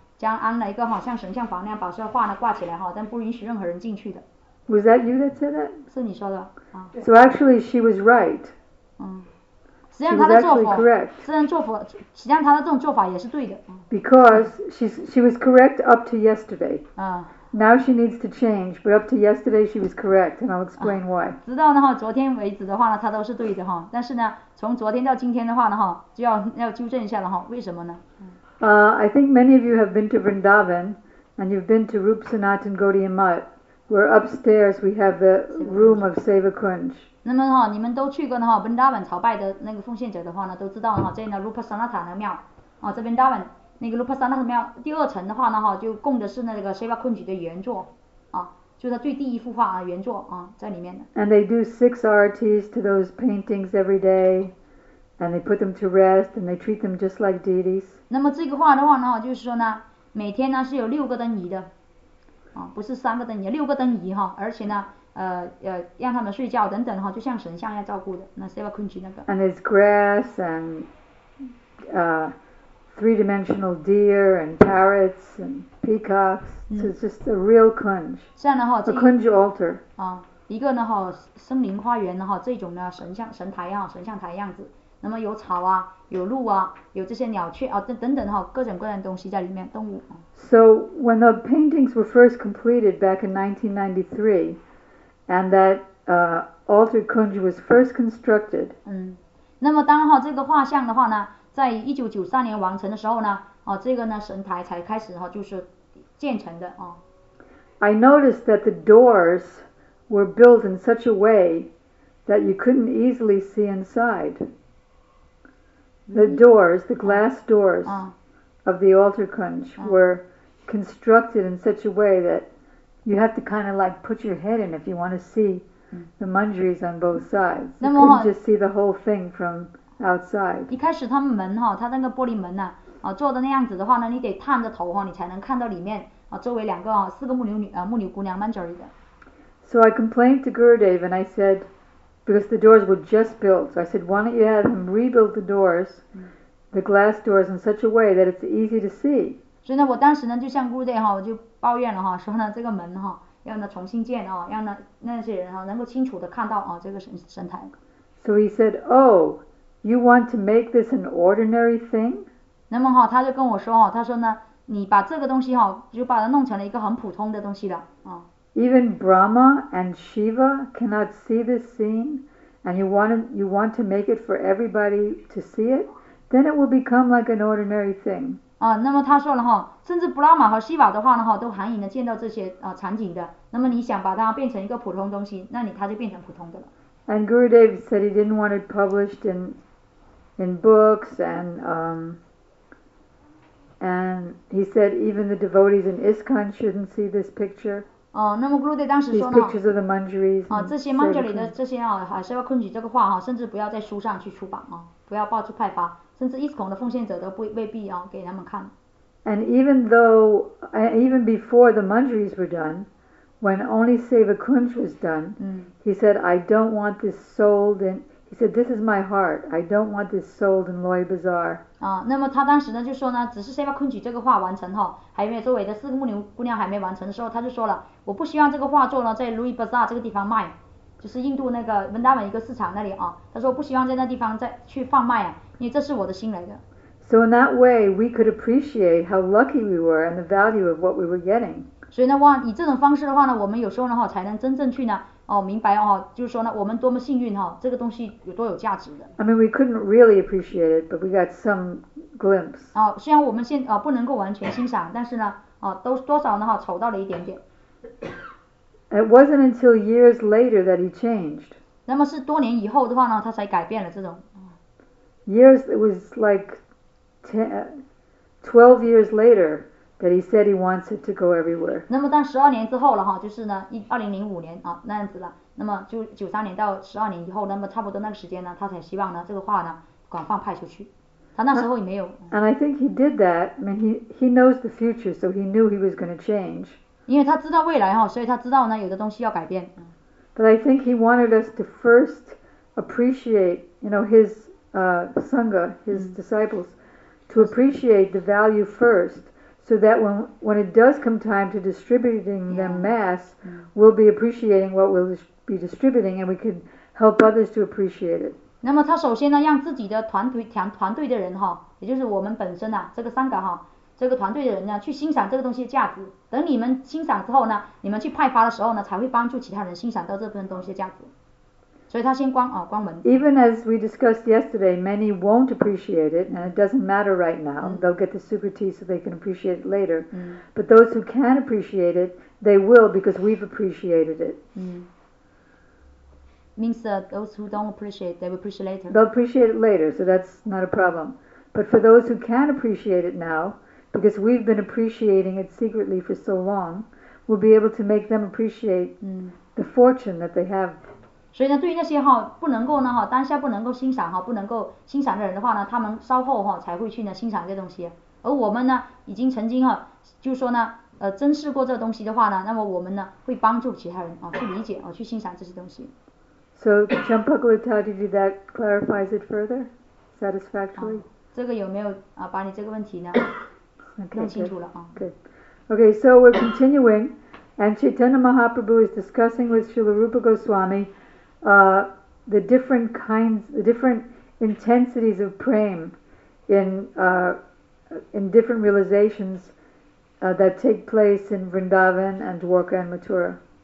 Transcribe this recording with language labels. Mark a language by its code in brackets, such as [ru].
[zh] 将安了一个像神像房那样把这画呢挂起来但不允许任何人进去的。 [en] Was that you that said that? [zh] 是你说的、啊。 [en] So actually she was right.、 [zh] 嗯、实际上她的做法 实际上她的这种做法也是对的。 [en] Because she was correct up to yesterday.、嗯、 Now she needs to change, but up to yesterday she was correct, and I'll explain why.、 [zh] 啊、直到呢昨天为止的话呢她都是对的。但是呢从昨天到今天的话呢就 要纠正一下了。为什么呢 [en] I think many of you have been to Vrindavan and you've been to Rup Sanat and Gaudiya Math where upstairs we have the room of Seva Kunj. [zh] 那么哈你们都去过的话 Vrindavan 朝拜的那个奉献者的话呢都知道哈这里呢 Rup Sanat 的庙啊这 Vrindavan 那个 Rup Sanat 的庙第二层的话呢哈就供的是那个 Seva Kunj 的原作啊就是最第一幅画啊原作啊在里面的。 [en] And they do six RTs to those paintings every day. And they put them to rest, and they treat them just like deities. [zh] 那么这个画的话呢，就是说呢，每天呢是有六个灯仪的，啊，不是三个灯仪，六个灯仪哈，而且呢，让他们睡觉等等哈，就像神像要照顾的，那 Seva Kunj 那个。 [en] And there's grass and three-dimensional deer and parrots and peacocks. So it's just a real Kunj. [zh] 这样的话， [en] a Kunj altar. [zh] 啊，一个呢哈，森林花园的哈，这种呢神像神台啊，神像台样子。那么有草啊，有鹿啊，有这些鸟雀啊，等等哈，各种各样的东西在里面，动物。 [en] So when the paintings were first completed back in 1993, and that altar kunj was first constructed. [zh] 嗯，那么当哈这个画像的话呢，在1993年完成的时候呢，哦，这个呢神台才开始哈就是建成的哦。 [en] I noticed that the doors were built in such a way that you couldn't easily see inside. The doors, the glass doors of the altar kunj were constructed in such a way that you have to kind of like put your head in if you want to see the mandris on both sides. You couldn't just see the whole thing from outside. [zh] 一开始他们门哈，他那个玻璃门呐，啊，做的那样子的话呢，你得探着头哈，你才能看到里面啊，周围两个啊，四个牧牛姑娘 mandri 的。 [en] So I complained to Gurudev and I said. Because the doors were just built. So I said, why don't you have him rebuild the doors, the glass doors, in such a way that it's easy to see. [zh] 所以呢我当时呢就像 Guru Day 哈我就抱怨了哈说呢这个门哈要呢重新建啊让呢那些人哈能够清楚地看到啊这个神台。 [en] So he said, oh, you want to make this an ordinary thing? [zh] 那么哈他就跟我说哈他说呢你把这个东西哈就把它弄成了一个很普通的东西了啊。 [en] Even Brahma and Shiva cannot see this scene, and you want to make it for everybody to see it, then it will become like an ordinary thing. [zh] 啊，那么他说了哈，甚至布拉玛和西瓦的话呢哈，都难以能见到这些啊场景的。那么你想把它变成一个普通东西，那你它就变成普通的了。 [en] And Gurudev said he didn't want it published in books and and he said even the devotees in ISKCON shouldn't see this picture. [zh] 哦，那么 Guru Day 当时说呢， [en] pictures of the mandris [zh] 啊，这些 mandri 的这些啊，还是要控制这个画哈、啊，甚至不要在书上去出版啊，不要报纸派发，甚至 ISKCON 的奉献者都未必啊给他们看。 [en] And even before the mandris were done, when only Seva Kunj was done,、嗯、 he said, I don't want this sold in. He said, this is my heart. I don't want this sold in Loy Bazaar. [zh] 那么他当时呢就说呢，只是先把昆曲这个画完成哈，还没有周围的四个木牛姑娘还没完成的时候，他就说了，我不希望这个画作呢在 Louis Bazaar 这个地方卖，就是印度那个文达文一个市场那里啊，他说不希望在那地方再去贩卖啊，因为这是我的心来的。 [en] So in that way, we could appreciate how lucky we were and the value of what we were getting. [zh] 所以呢，以这种方式的话呢，我们有时候呢哈才能真正去呢。哦，明白哦，就是说呢，我们多么幸运哈、哦，这个东西有多有价值的。 [en] I mean, we couldn't really appreciate it, but we got some glimpse. [zh] 哦，虽然我们现不能够完全欣赏，但是呢，都多少呢哈，瞅到了一点点。 [en] It wasn't until years later that he changed. [zh] 那么是多年以后的话呢，他才改变了这种。 [en] Years, it was like 12 years later. That he said he wants it to go everywhere. [zh] 那么当十二年之后了哈，就是呢，2005年啊那样子了。那么就93年到12年以后，那么差不多那个时间呢，他才希望呢这个画呢广泛派出去。他那时候也没有。 [en] And I think he did that. I mean, he knows the future, so he knew he was going to change. [zh] 因为他知道未来哈，所以他知道呢有的东西要改变。 [en] But I think he wanted us to first appreciate, you know, his sangha, his disciples, to appreciate the value first. So that when it does come time to distributing them mass, we'll be appreciating what we'll be distributing, and we can help others to appreciate it. [zh] 那么他首先呢，让自己的团队的人哈，也就是我们本身啊，这个三个哈，这个团队的人呢，去欣赏这个东西的价值。等你们欣赏之后呢，你们去派发的时候呢，才会帮助其他人欣赏到这份东西的价值。所以他先关门。 [en] Even as we discussed yesterday, many won't appreciate it, and it doesn't matter right now. They'll get the super tea so they can appreciate it later. But those who can appreciate it, they will because we've appreciated it. Means that those who don't appreciate, they will appreciate later. They'll appreciate it later, so that's not a problem. But for those who can appreciate it now, because we've been appreciating it secretly for so long, we'll be able to make them appreciate the fortune that they have. [zh] 所以呢，对于那些哈不能够呢哈当下不能够欣赏哈不能够欣赏的人的话呢，他们稍后哈才会去呢欣赏这东西。而我们呢，已经曾经哈就说呢珍视过这东西的话呢，那么我们呢会帮助其他人啊去理解啊去欣赏这些东西。 So Champakulita, did you that clarifies it further satisfactorily? 这个有没有把你这个问题呢弄清楚了啊 [en] ？Okay, so we're continuing, and Chaitanya Mahaprabhu is discussing with Srila Rupa Goswami. The different kinds, the different intensities of prema in different realizations that take place in Vrindavan and Dwarka and Mathura.